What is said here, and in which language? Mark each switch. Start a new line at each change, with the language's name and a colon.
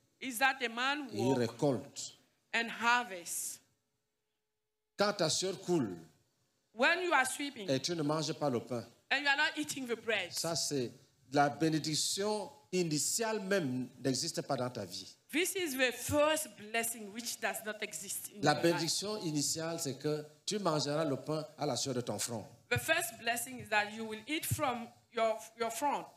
English: Is that a man
French: et il récolte.
English: And harvest.
French: Quand ta sœur coule
English: when you are sweeping,
French: et tu ne manges pas le pain,
English: and you are not eating the bread,
French: ça c'est la bénédiction initiale même n'existe pas dans ta vie.
English: This is the first blessing which does not exist in
French: la bénédiction initiale c'est que tu mangeras le pain à la sueur de ton front.
English: The first blessing is that you will eat from your front.